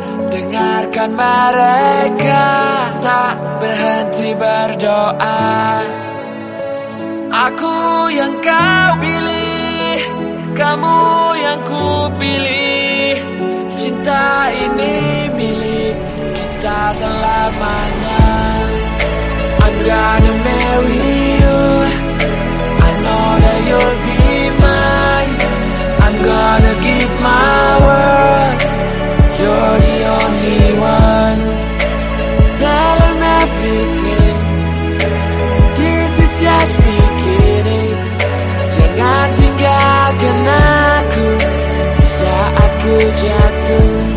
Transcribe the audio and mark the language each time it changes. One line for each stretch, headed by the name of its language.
Indonesian: Dengarkan mereka, tak berhenti berdoa. Aku yang kau pilih, kamu yang ku pilih. Cinta ini milik kita selamanya.
English: I'm gonna marry you, I know that you'll be mine. I'm gonna give my word, you're the only one. Tell him everything, this is just beginning.
Indonesian: Jangan tinggalkan aku di saat ku jatuh.